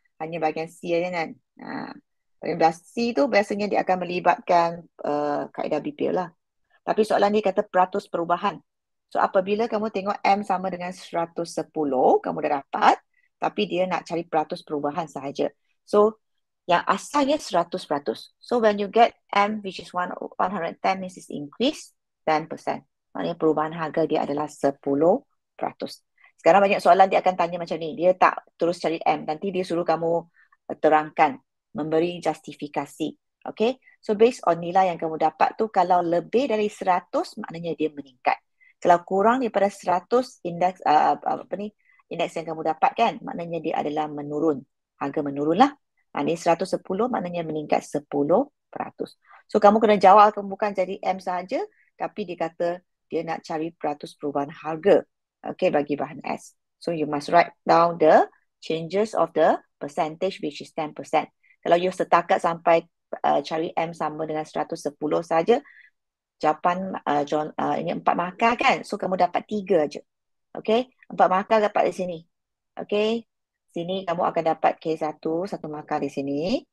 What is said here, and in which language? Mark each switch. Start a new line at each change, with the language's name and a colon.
Malay: Hanya bahagian C saja kan? Bahagian C tu biasanya dia akan melibatkan kaedah BPL lah. Tapi soalan ni kata peratus perubahan. So apabila kamu tengok M sama dengan 110, kamu dah dapat. Tapi dia nak cari peratus perubahan sahaja. So yang asalnya 100%.
English: So when you get M which is 110 means it's increase 10%.
Malay: Maknanya perubahan harga dia adalah 10%. Sekarang banyak soalan dia akan tanya macam ni. Dia tak terus cari M. Nanti dia suruh kamu terangkan, memberi justifikasi. Okay. So based on nilai yang kamu dapat tu, kalau lebih dari 100, maknanya dia meningkat. Kalau kurang daripada 100 indeks, apa ni, indeks yang kamu dapat kan, maknanya dia adalah menurun. Harga menurun lah. Ini 110, maknanya meningkat 10%. So kamu kena jawab, kamu bukan jadi M sahaja, tapi dia kata dia nak cari peratus perubahan harga. Okay, bagi bahan S.
English: So you must write down the changes of the percentage which is 10%.
Malay: Kalau you setakat sampai cari M sama dengan 110 saja, jawapan ini 4 markah kan? So kamu dapat 3 aja. Okay, 4 markah dapat di sini. Okay, sini kamu akan dapat K1, 1 markah di sini.